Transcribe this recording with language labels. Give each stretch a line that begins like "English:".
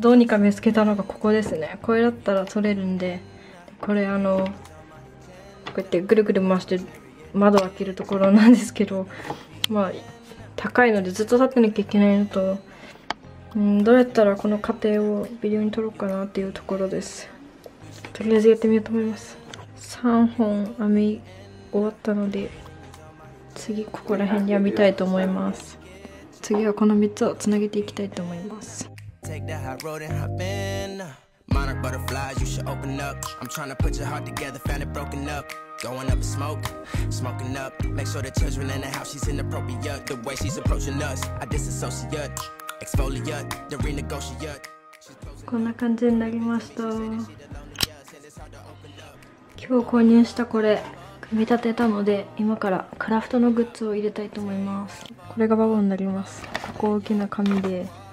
Japanese: どうにか見つけたのがここですね。これだったら取れるんで、これこうやってぐるぐる回して窓を開けるところなんですけど、まあ高いのでずっと立ってなきゃいけないのと、どうやったらこの過程をビデオに撮ろうかなっていうところです。とりあえずやってみようと思います。3本編み終わったので次ここら辺に編みたいと思います。次はこの3つをつなげていきたいと思います。
English: Take that high road and hop in. Monarch butterflies, you should open up. I'm trying to put your heart together, found it broken up. Going up a smoke, smoking up. Make sure the children in the house, she's inappropriate. The way she's approaching us, I disassociate. Exfoliate, the renegotiate.
Japanese: こんな感じになりました。今日購入したこれ、組み立てたので、今からクラフトのグッズを入れたいと思います。これがババになります。ここ大きな紙で。